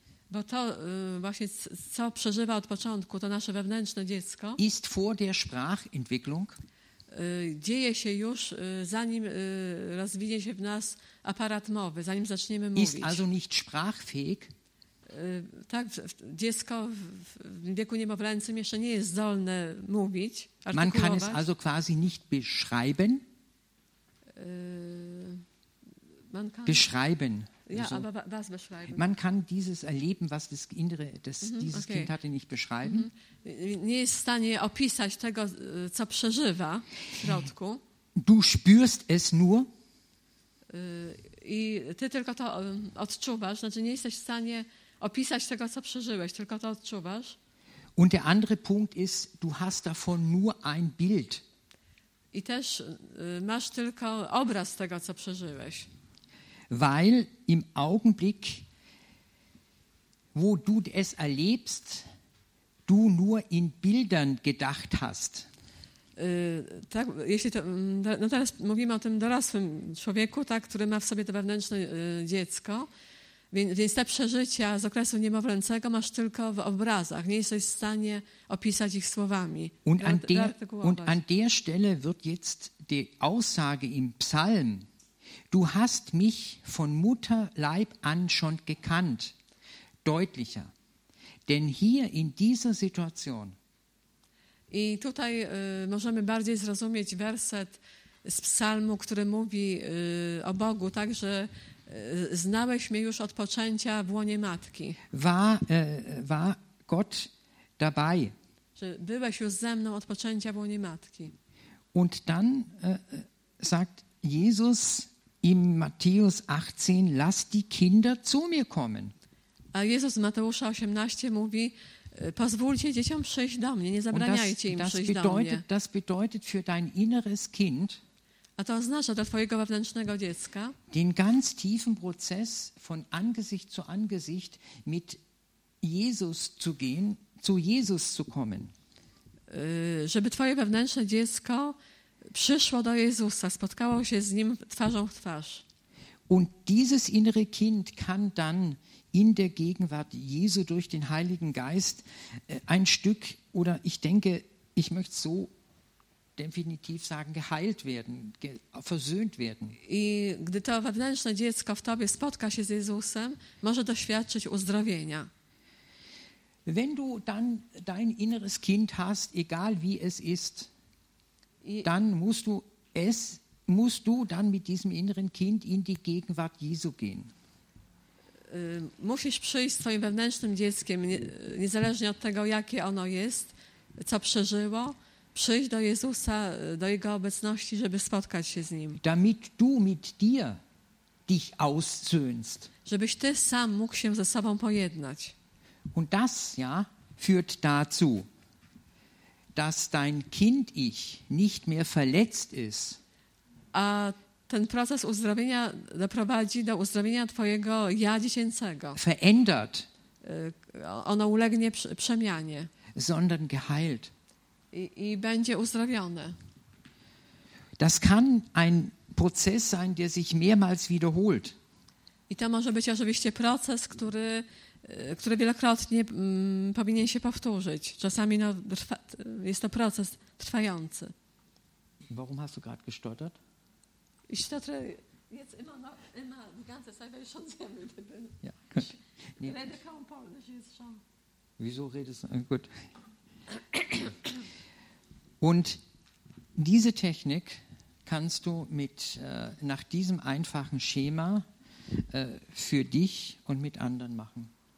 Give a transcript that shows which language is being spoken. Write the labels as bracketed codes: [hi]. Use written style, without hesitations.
[pl] bo to właśnie, co przeżywa od początku, to nasze wewnętrzne dziecko, [de] ist vor der Sprachentwicklung, [pl] dzieje się już, zanim rozwinie się w nas aparat mowy, zanim zaczniemy mówić. [de] Ist also nicht sprachfähig. [pl] Tak, dziecko w wieku niemowlęcym jeszcze nie jest zdolne mówić, artykułować. [de] Man kann es also quasi nicht beschreiben. Man kann beschreiben. Ja, so. Aber was beschreiben? Man kann dieses Erleben, was das innere, das dieses Kind hatte, nicht beschreiben. [pl] Nie jest w stanie opisać tego, co przeżywa w środku. [de] Du spürst es nur. [pl] I ty tylko to odczuwasz, znaczy nie jesteś w stanie opisać tego, co przeżyłeś, tylko to odczuwasz. [de] Und der andere Punkt ist, du hast davon nur ein Bild. [pl] I też masz tylko obraz tego, co przeżyłeś. [de] Weil im Augenblick, wo du es erlebst, du nur in Bildern gedacht hast. [pl] Tak, jeśli to, no teraz mówimy o tym dorosłym człowieku, tak, który ma w sobie to wewnętrzne dziecko, więc te przeżycia z okresu niemowlęcego masz tylko w obrazach, nie jesteś w stanie opisać ich słowami. [de] Und an der Stelle wird jetzt die Aussage im Psalm: Du hast mich von Mutterleib an schon gekannt, deutlicher. Denn hier in dieser Situation. [pl] I tutaj możemy bardziej zrozumieć werset z psalmu, który mówi o Bogu, tak, że znałeś mnie już od poczęcia w łonie matki. [de] War Gott dabei. [pl] Że byłeś już ze mną od poczęcia w łonie matki. [de] Und dann sagt Jesus im Matthäus 18, lass die Kinder zu mir kommen. [pl] A Jezus z Mateusza 18 mówi, pozwólcie dzieciom przyjść do mnie, nie zabraniajcie im przyjść do mnie. [de] Das bedeutet für dein inneres Kind, [pl] a to oznacza dla twojego wewnętrznego dziecka, [de] den ganz tiefen Prozess von Angesicht zu Angesicht mit Jesus zu gehen, zu Jesus zu kommen. [pl] Żeby twoje wewnętrzne dziecko przyszło do Jezusa, spotkało się z nim twarzą w twarz. [de] Und dieses innere Kind kann dann in der Gegenwart Jesu durch den Heiligen Geist ein Stück, oder ich denke, ich möchte so definitiv sagen, geheilt werden, versöhnt werden. [pl] I gdy to wewnętrzne dziecko w tobie spotka się z Jezusem, może doświadczyć uzdrowienia. [de] Wenn du dann dein inneres Kind hast, egal wie es ist, dann musst du dann mit diesem inneren Kind in die Gegenwart Jesu gehen. [pl] Musisz przyjść z twoim wewnętrznym dzieckiem, niezależnie od tego, jakie ono jest, co przeżyło, przyjść do Jezusa, do Jego obecności, żeby spotkać się z Nim. [de] Damit du mit dir dich aussöhnst. [pl] Żebyś ty sam mógł się ze sobą pojednać. [de] Und das, ja, führt dazu, dass dein Kind-Ich nicht mehr verletzt ist. [pl] A ten proces uzdrowienia doprowadzi do uzdrowienia twojego ja dziecięcego. [de] Verändert. [pl] ono ulegnie przemianie. [de] Sondern geheilt. [pl] I będzie uzdrowione. Das kann ein Prozess sein, der sich mehrmals wiederholt. I to może być oczywiście proces, który wielokrotnie powinien się powtórzyć. Czasami no, jest to proces trwający. [de] Warum hast du gerade gestottert? Ich stottere jetzt immer die ganze Zeit, weil ich schon sehr müde bin. Ja. Ich rede kaum Polnisch jetzt schon. Wieso redest du? Gut. Und diese Technik kannst du mit nach diesem einfachen Schema für dich und mit anderen machen.